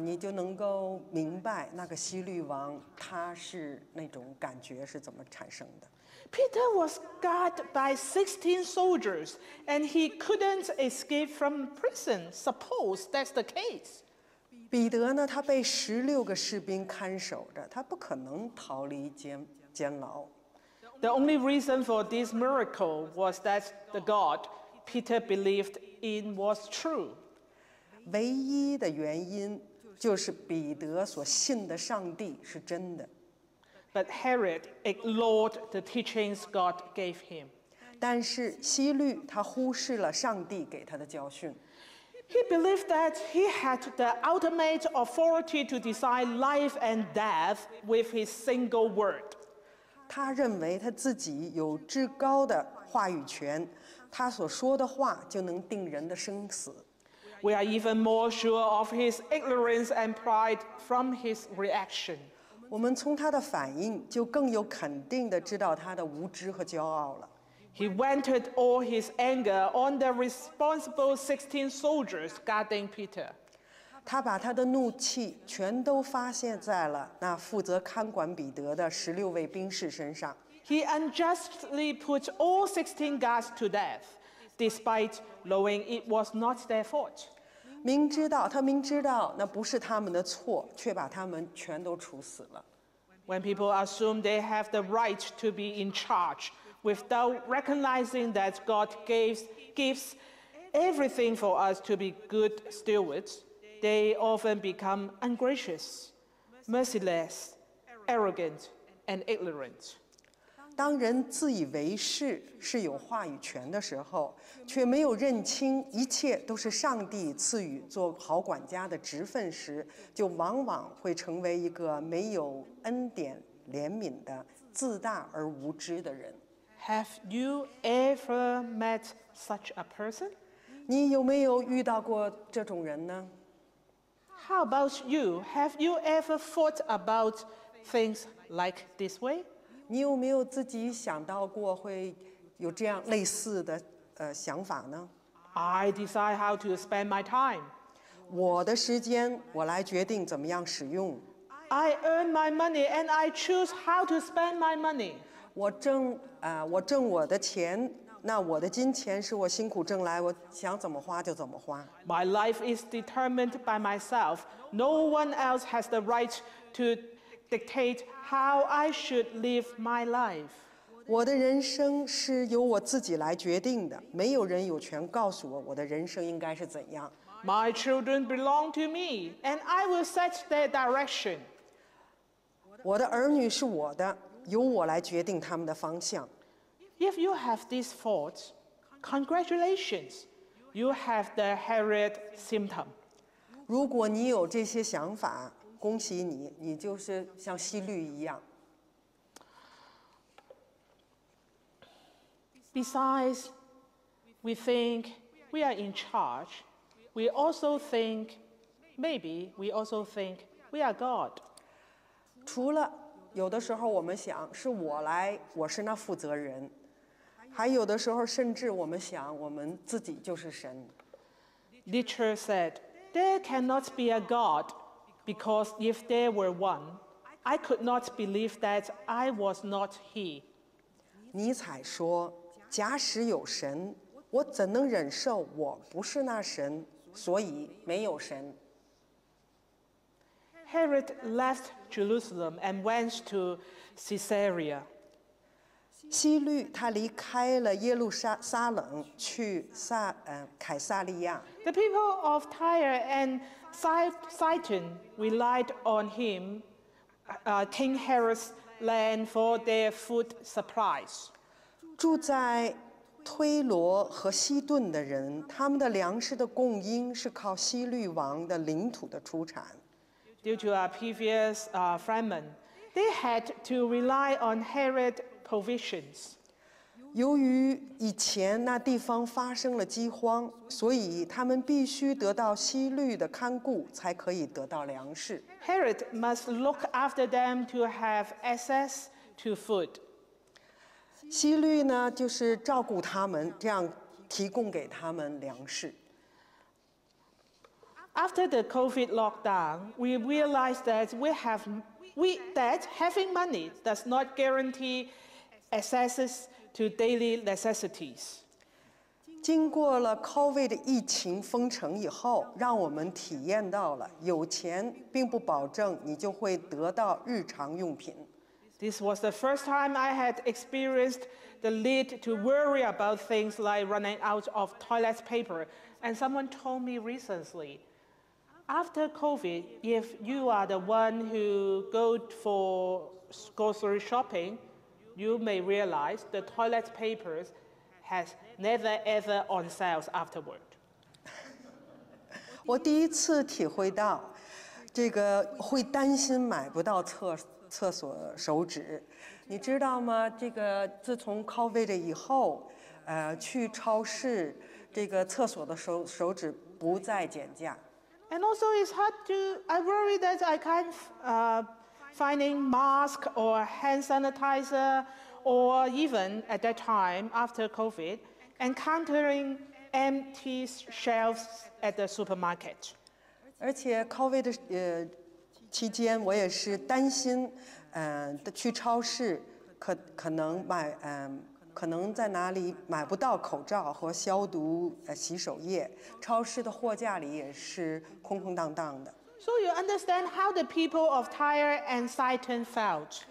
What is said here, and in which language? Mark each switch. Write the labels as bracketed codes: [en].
[zh] 你就能够明白那个希律王他是那种感觉是怎么产生的。 [en] Peter was guarded by 16 soldiers, and he couldn't escape from prison. Suppose that's the case. [zh] 彼得呢？他被十六个士兵看守着，他不可能逃离监牢。 [en] The only reason for this miracle was that the God Peter believed in was true. [zh] 唯一的原因就是彼得所信的上帝是真的。 [en] But Herod ignored the teachings God gave him. [zh] 但是希律他忽视了上帝给他的教训。 [en] He believed that he had the ultimate authority to decide life and death with his single word. [zh] 他认为他自己有至高的话语权，他所说的话就能定人的生死。 [en] We are even more sure of his ignorance and pride from his reaction. [zh] 我们从他的反应就更有肯定地知道他的无知和骄傲了。 [en] He vented all his anger on the responsible 16 soldiers guarding Peter. [zh] 他把他的怒气全都发泄在了那负责看管彼得的十六位兵士身上。 [en] He unjustly put all 16 guards to death, despite knowing it was not their fault. [zh] 他明知道那不是他们的错，却把他们全都处死了。 [en] When people assume they have the right to be in charge,Without recognizing that God gives everything for us to be good stewards, they often become ungracious, merciless, arrogant, and ignorant. [zh] 当人自以为是是有话语权的时候，却没有认清一切都是上帝赐予做好管家的职分时，就往往会成为一个没有恩典怜悯的自大而无知的人。 [en] Have you ever met such a person? [zh] 你有没有遇到过这种人呢？ [en] How about you? Have you ever thought about things like this way? [zh] 你有没有自己想到过会有这样类似的想法呢？ [en] I decide how to spend my time. [zh] 我的时间我来决定怎么样使用。 [en] I earn my money and I choose how to spend my money. [zh] 我挣我的钱，那我的金钱是我辛苦挣来，我想怎么花就怎么花。 [en] My life is determined by myself. No one else has the right to dictate how I should live my life. [zh] 我的人生是由我自己来决定的，没有人有权告诉我我的人生应该是怎样。 [en] My children belong to me, and I will set their direction. [zh] 我的儿女是我的，由我来决定他们的方向。 [en] If you have these thoughts, congratulations, you have the Harriet symptom. [zh] 如果你有这些想法，恭喜你，你就是像希律一样。 [en] Besides, we think we are in charge. We also think, maybe we also think we are God. [zh] 除了有的时候我们想是我来，我是那负责人。还有的时候甚至我们想我们自己就是神。 [en] Nietzsche said, there cannot be a God, because if there were one, I could not believe that I was not he. [zh] 尼采说，假使有神，我怎能忍受我不是那神，所以没有神。 [en] Herod left Jerusalem and went to Caesarea. [zh] 希律他离开了耶路撒冷去凯撒利亚。 [en] The people of Tyre and Sidon relied on him, King Herod's land for their food supplies. [zh] 住在推罗和西顿的人，他们的粮食的供应是靠希律王的领土的出产。 [en] Due to a previous famine, they had to rely on Herod. Provisions. [zh] 由于以前那地方发生了饥荒，所以他们必须得到希律的看顾，才可以得到粮食。 [en] Herod must look after them to have access to food. [zh] 希律呢，就是照顾他们，这样提供给他们粮食。 [en] After the COVID lockdown, we realized that having money does not guarantee. Accesses to daily necessities. [zh] 经过了 COVID 疫情封城以后，让我们体验到了有钱并不保证你就会得到日常用品。 [en] This was the first time I had experienced the need to worry about things like running out of toilet paper. And someone told me recently, after COVID, if you are the one who go for grocery shopping,You may realize the toilet paper has never ever on sale afterward. [zh] 我第一次体会到，这个会担心买不到厕所手纸。你知道吗？这个自从 COVID 以后，去超市，这个厕所的手纸不再减价。 [en] And also, it's hard to. I worry that I can't. Finding mask or hand sanitizer, or even at that time after COVID, encountering empty shelves at the supermarket. [zh] 而且 COVID 期间，我也是担心，去超市可能买，可能在哪里买不到口罩和消毒洗手液，超市的货架里也是空空荡荡的。 [en] So you understand how the people of Tyre and Sidon felt.